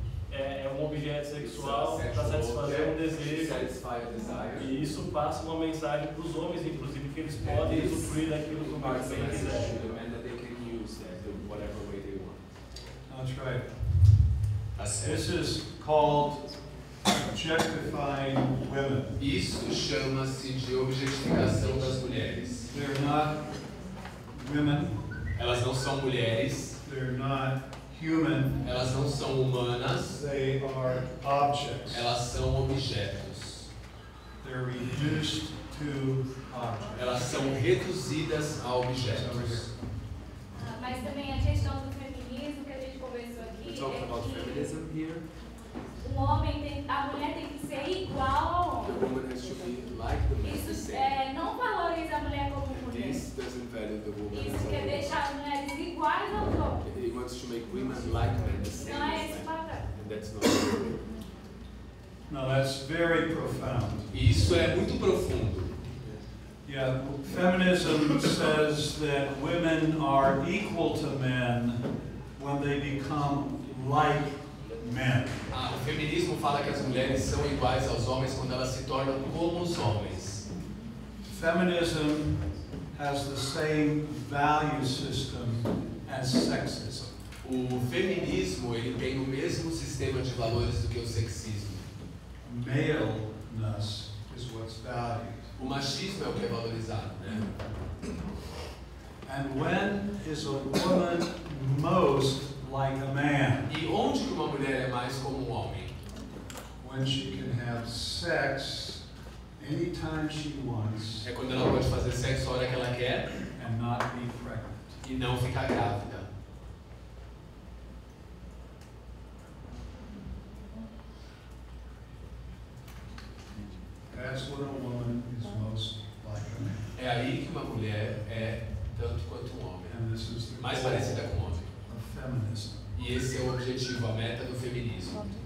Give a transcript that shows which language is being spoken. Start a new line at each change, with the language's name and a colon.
Portuguese: É um objeto sexual para satisfazer um desejo. E isso passa uma mensagem para os homens, inclusive, que eles podem usufruir daquilo que o homem quiser.
English: The men that they can use that in whatever way they want. That's right. This is called objectifying women.
Portuguese: Isso chama-se de objetificação das mulheres.
English: They're not women.
Portuguese: Elas não são mulheres.
English: They're not human.
Portuguese: Elas não são humanas.
English: They are objects.
Portuguese: Elas são objetos.
English: They're reduced to objects.
Portuguese: Elas são reduzidas a objetos. Mas também a questão do feminismo que a gente conversou aqui.
English: Talking about feminism here.
Portuguese: O homem tem, a mulher tem que ser igual ao homem.
English: Like the
Portuguese: isso não valoriza a mulher como mulher.
English: This doesn't value the woman.
Portuguese: Isso quer deixar as mulheres iguais ao homem.
English: He wants to make women like men the same.
Portuguese: Não é esse padrão.
English: And that's not true. Now that's very profound.
Portuguese: Isso é muito profundo.
English: Yeah, feminism says that women are equal to men when they become like men.
Portuguese: Ah, o feminismo fala que as mulheres são iguais aos homens quando elas se tornam como os homens.
English: Feminism has the same value system as sexism.
Portuguese: O feminismo, ele tem o mesmo sistema de valores do que o sexismo.
English: Maleness is what's valued.
Portuguese: O machismo é o que é valorizado, né?
English: And when is a woman most like a man?
Portuguese: E onde uma mulher é mais como um homem?
English: When she can have sex anytime she wants.
Portuguese: É quando ela pode fazer sexo a hora que ela quer.
English: And not be pregnant.
Portuguese: E não ficar grávida.
English: That's what a woman is most like a man.
Portuguese: É aí que uma mulher é tanto quanto um homem.
English: And this is the
Portuguese: mais parecida com um homem.
English: Feminism.
Portuguese: E esse é o objetivo, a meta do feminismo.